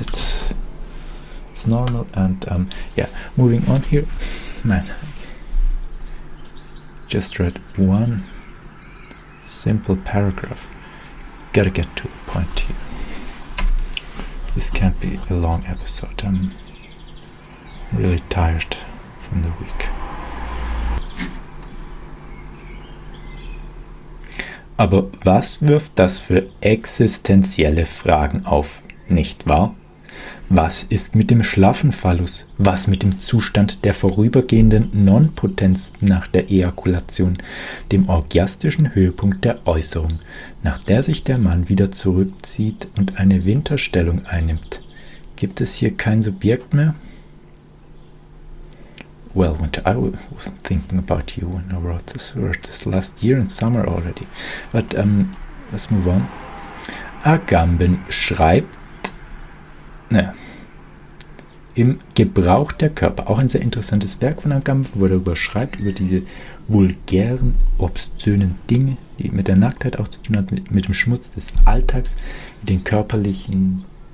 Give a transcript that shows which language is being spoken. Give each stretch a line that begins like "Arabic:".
English: It's normal. And yeah, moving on here, man, just read one simple paragraph, gotta get to the point here, this can't be a long episode, I'm really tired from the week.
German: Aber was wirft das für existenzielle Fragen auf, nicht wahr? Was ist mit dem schlaffen Phallus? Was mit dem Zustand der vorübergehenden Nonpotenz nach der Ejakulation, dem orgiastischen Höhepunkt der Äußerung, nach der sich der Mann wieder zurückzieht und eine Winterstellung einnimmt? Gibt es hier kein Subjekt mehr?
English: Well, Winter, I wasn't thinking about you when I wrote this last year in summer already. But let's move on.
German: Agamben schreibt, ne, im Gebrauch der Körper, auch ein sehr interessantes Werk von Agamben, wo er darüber schreibt, über diese vulgären, obszönen Dinge, die mit der Nacktheit auch zu tun hat, mit dem Schmutz des Alltags, mit den körperlichen